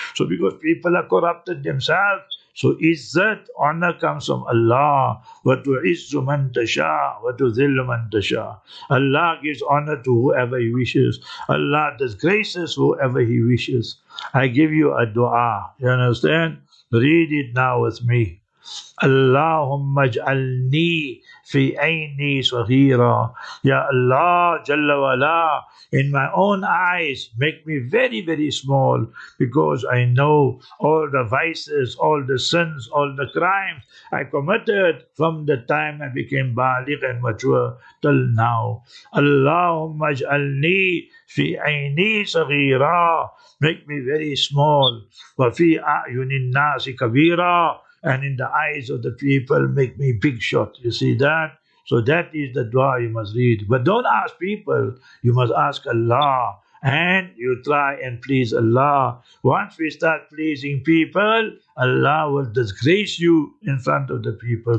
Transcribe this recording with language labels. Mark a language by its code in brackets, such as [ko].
[en] So because people are corrupted themselves, so izzat, honor comes from Allah. [ar] وَتُعِزُّ مَنْ تَشَاءُ وَتُذِلُّ مَنْ تَشَاءُ. [en] Allah gives honor to whoever he wishes. Allah disgraces whoever he wishes. I give you a dua, you understand? Read it now with me. [ar] اللهم اجعلني في عيني صغيرا. [en] Ya Allah Jalla Wala, in my own eyes, make me very, very small, because I know all the vices, all the sins, all the crimes I committed from the time I became baligh and mature till now. [ar] اللهم اجعلني في عيني صغيرا, [en] make me very small. [ar] وفي أعين الناس كبيرا, [en] and in the eyes of the people, make me big shot. You see that? So that is the dua you must read. But don't ask people. You must ask Allah. And you try and please Allah. Once we start pleasing people, Allah will disgrace you in front of the people.